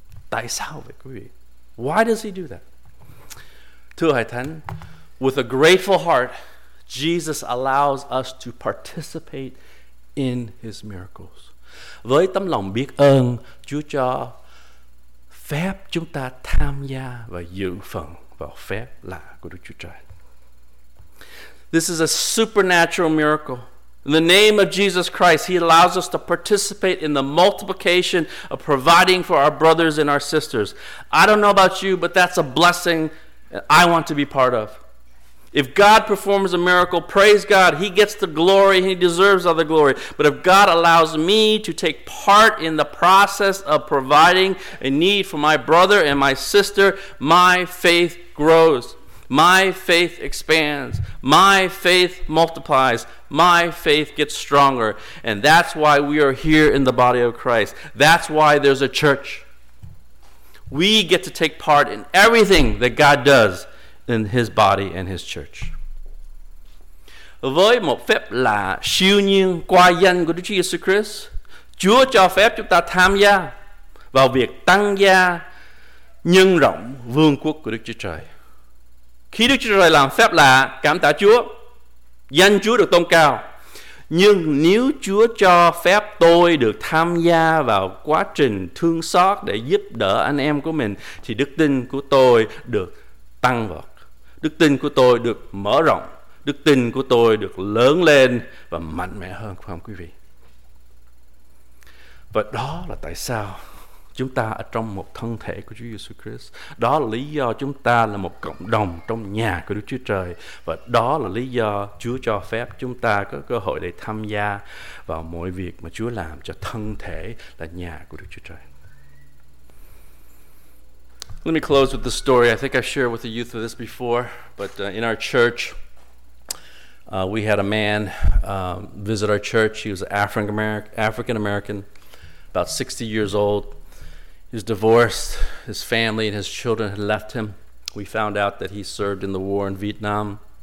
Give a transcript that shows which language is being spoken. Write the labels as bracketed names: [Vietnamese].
[Vietnamese] Tại sao vậy quý vị? [English] Why does he do that? [Vietnamese] Thưa Hội Thánh, [English] with a grateful heart, Jesus allows us to participate in his miracles. [Vietnamese] Với tấm lòng biết ơn, Chúa cho phép chúng ta tham gia và dự phần vào phép lạ của Đức Chúa Trời. [English] This is a supernatural miracle. In the name of Jesus Christ, he allows us to participate in the multiplication of providing for our brothers and our sisters. I don't know about you, but that's a blessing I want to be part of. If God performs a miracle, praise God, he gets the glory, he deserves all the glory. But if God allows me to take part in the process of providing a need for my brother and my sister, my faith grows. My faith expands. My faith multiplies. My faith gets stronger. And that's why we are here in the body of Christ. That's why there's a church. We get to take part in everything that God does in his body and his church. [Vietnamese] Với một phép lạ siêu nhiên qua danh của Đức Chúa Jesus Christ, Chúa cho phép chúng ta tham gia vào việc tăng gia nhân rộng vương quốc của Đức Chúa Trời. Khi Đức Chúa Trời làm phép lạ, cảm tạ Chúa, danh Chúa được tôn cao. Nhưng nếu Chúa cho phép tôi được tham gia vào quá trình thương xót để giúp đỡ anh em của mình, thì đức tin của tôi được tăng vọt, đức tin của tôi được mở rộng, đức tin của tôi được lớn lên và mạnh mẽ hơn, không quý vị? Và đó là tại sao chúng ta ở trong một thân thể của Chúa Jesus Christ. Đó là lý do chúng ta là một cộng đồng trong nhà của Đức Chúa Trời. Và đó là lý do Chúa cho phép chúng ta có cơ hội để tham gia vào mọi việc mà Chúa làm cho thân thể là nhà của Đức Chúa Trời. [English] Let me close with the story. I think I shared with the youth of this before. But in our church, we had a man visit our church. He was African-American, about 60 years old. He was divorced. His family and his children had left him. We found out that he served in the war in Vietnam.